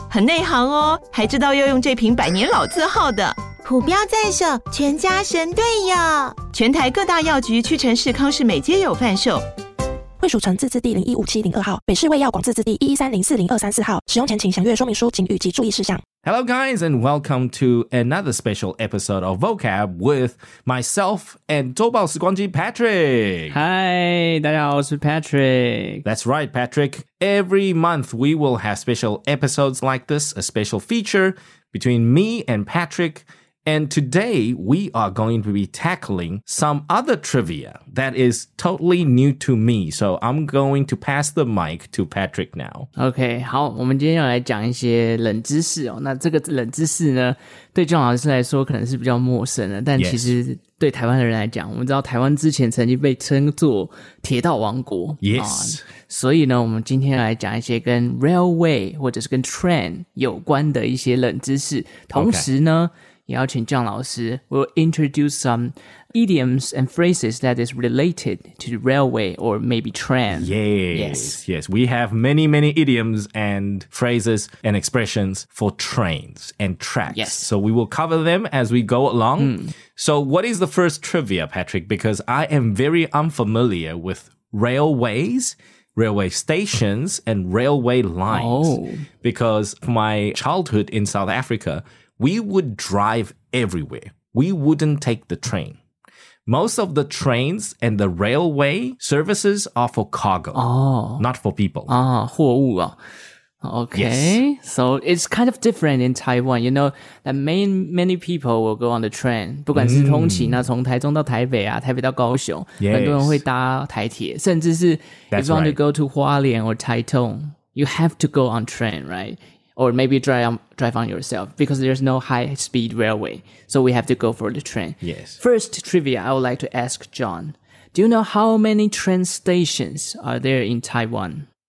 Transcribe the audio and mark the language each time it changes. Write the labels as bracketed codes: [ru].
[zh] 很内行哦，还知道要用这瓶百年老字号的。虎标在手，全家神队友。全台各大药局、屈臣氏、康氏美皆有贩售。卫蜀成字字第015702号，北市卫药广字字第113040234号。使用前请详阅说明书、警语及注意事项。 [en] Hello, guys, and welcome to another special episode of Vocab with myself and 周报时光机 Patrick. [zh] Hi, 大家好，我是 Patrick. [en] That's right, Patrick. Every month we will have special episodes like this, a special feature between me and Patrick. And today, we are going to be tackling some other trivia that is totally new to me. So I'm going to pass the mic to Patrick now. [zh] Okay, 好，我们今天要来讲一些冷知识哦。那这个冷知识呢，对John老师来说可能是比较陌生的，但其实对台湾的人来讲，我们知道台湾之前曾经被称作铁道王国。 [en] Yes. [zh] 所以呢，我们今天来讲一些跟 railway 或者是跟 train 有关的一些冷知识。同时呢、okay. [en] 也要请John老师 will introduce some idioms and phrases that is related to the railway or maybe train. Yes. We have many, many idioms and phrases and expressions for trains and tracks. Yes. So we will cover them as we go along. Mm. So what is the first trivia, Patrick? Because I am very unfamiliar with railways,railway stations, and railway lines. Oh. Because my childhood in South Africa, we would drive everywhere. We wouldn't take the train. Most of the trains and the railway services are for cargo, not for people. [zh] Ah, 货物啊。Okay, [en] yes. So it's kind of different in Taiwan. You know, that many people will go on the train. [zh] 不管是通勤啊、从台中到台北啊、台北到高雄、 [en] yes. [zh] 很多人会搭台铁。甚至是 [en] That's if you want、 right. to go to Hualien or Taitung, you have to go on train, right? Or maybe drive on yourself because there's no high-speed railway. So we have to go for the train. Yes. First trivia, I would like to ask John, do you know how many train stations are there in Taiwan?